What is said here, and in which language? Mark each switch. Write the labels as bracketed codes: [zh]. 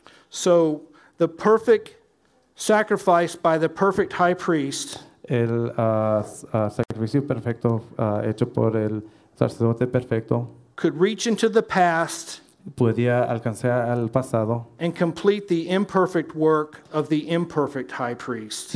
[en] So the perfect sacrifice by the perfect high priest. [es] El sacrificio perfecto hecho por el sacerdote perfecto [en] could reach into the past, [es] podía alcanzar al pasado, [en] and complete the imperfect work of the imperfect high priest.